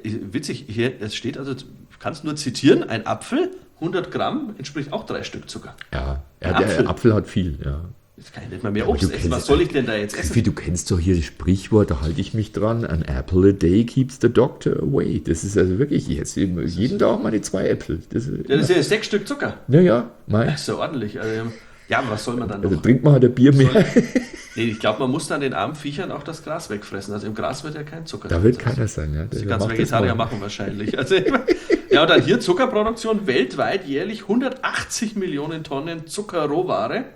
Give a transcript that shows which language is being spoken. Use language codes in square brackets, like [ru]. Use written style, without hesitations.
[de] Witzig, hier es steht, also kannst nur zitieren, ein Apfel, 100 Gramm, entspricht auch 3 Stück Zucker. Ja, der Apfel hat viel, ja. Jetzt kann ich nicht mal mehr Obst essen. Was soll ich denn da jetzt essen? Wie, du kennst doch hier das Sprichwort, da halte ich mich dran. [en] An apple a day keeps the doctor away. [de] Das ist also wirklich jetzt jeden Tag meine 2 Äpfel. Das ist ja 6 Stück Zucker. Naja, mein. Das ist ja ordentlich. Ja, aber was soll man dann noch? Also trinkt man halt ein Bier mehr. Nee, ich glaube, man muss dann den armen Viechern auch das Gras wegfressen. Also im Gras wird ja kein Zucker. Da wird keiner sein, ja. Das kannst du Vegetarier machen wahrscheinlich. Also, ja, und dann hier Zuckerproduktion weltweit jährlich 180 Millionen Tonnen Zuckerrohware.